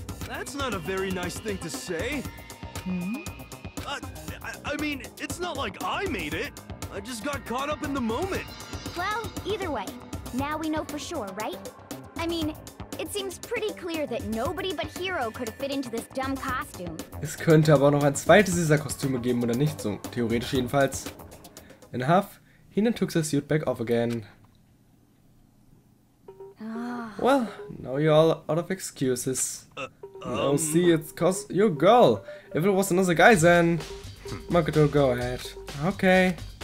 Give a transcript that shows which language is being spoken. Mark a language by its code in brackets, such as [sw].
[en] That's not a very nice thing to say. Hmm? I mean, it's not like I made it. I just got caught up in the moment. Well, either way, now we know for sure, right? I mean, it seems pretty clear that nobody but Hiro could have fit into this dumb costume. [de] Es könnte aber noch ein zweites dieser Kostüme geben oder nicht, so theoretisch jedenfalls. [en] In Huff, Hina took the suit back off again. Well, now you're all out of excuses. Oh, see, it's cause your girl. If it was another guy, then Makoto, go ahead. Okay.